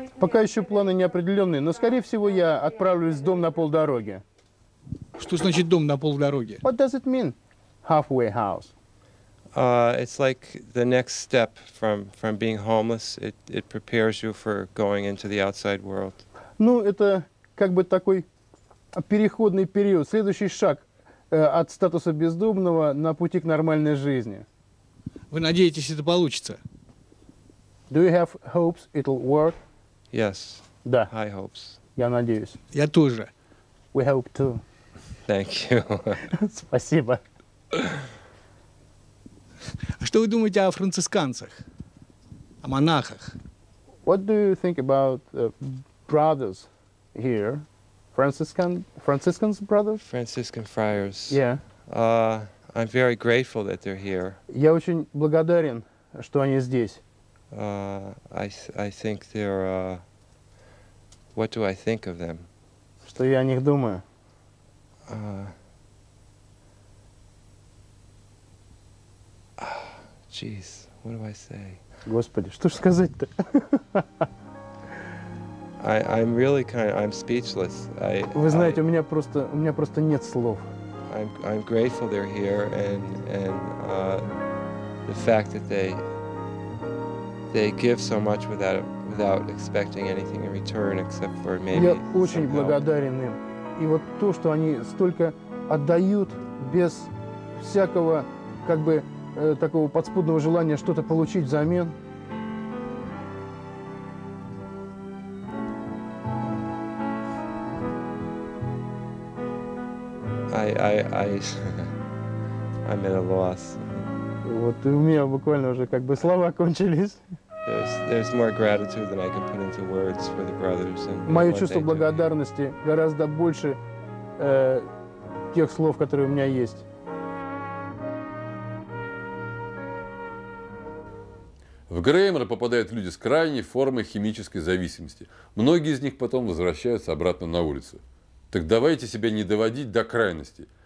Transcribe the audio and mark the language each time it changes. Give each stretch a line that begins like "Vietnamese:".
Russian: Пока еще планы неопределенные, но, скорее всего, я отправлюсь в дом на полдороге. Что значит дом на полдороге?
English: What does it mean, halfway house? It's like the next step from being homeless. It prepares you for going into the outside world.
Russian: Ну, это как бы такой переходный период, следующий шаг от статуса бездомного на пути к нормальной жизни. Вы надеетесь, это получится?
English: Do you have hopes it'll work? Yes.
Russian: Да.
English: High hopes.
Russian: Я надеюсь. Я тоже.
English: We hope too. Thank you.
Russian: Спасибо. А что вы думаете о францисканцах? О монахах?
English: What do you think about brothers here? Franciscans brothers? Franciscan friars. Yeah. I'm very grateful that they're here.
Russian: Я очень благодарен, что они здесь.
English: I think they're what do I think of them?
Russian: Что я о них думаю?
English: Jeez, what do I say?
Russian: Господи, что ж сказать-то?
English: I'm really kind of, I'm speechless.
Russian: Вы знаете, у меня просто нет слов.
English: I'm grateful they're here and the fact that they give so much without expecting anything in return except for maybe.
Russian: Я очень благодарен им. И вот то, что они столько отдают без всякого как бы такого подспудного желания что-то получить взамен.
English: I'm at a loss.
Russian: Вот у меня буквально уже как бы слова кончились.
English: There's more gratitude than I can put into words for the brothers and.
Russian: Мое чувство благодарности гораздо больше тех слов, которые у меня есть. В Греймор попадают люди с крайней формой химической зависимости. Многие из них потом возвращаются обратно на улицу. Так давайте себя не доводить до крайности.